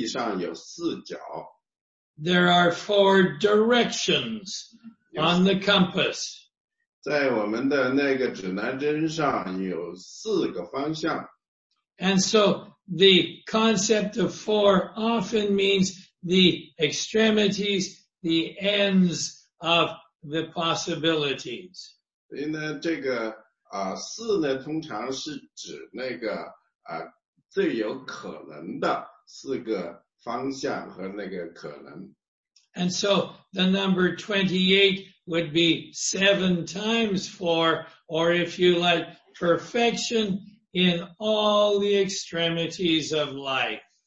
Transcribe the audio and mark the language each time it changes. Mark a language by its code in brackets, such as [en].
[zh] 所以圣经告诉我们，地上有四角。 [en] There are 4 directions on the compass. [zh] 在我们的那个指南针上有4个方向。 [en] And so the concept of 4 often means the extremities, the ends of the possibilities. [zh] 所以呢，这个 4呢，通常是指那个最有可能的4个方向和那个可能。 [en] And so the number 28 would be 7 times 4, or if you like, perfection in all the extremities of life.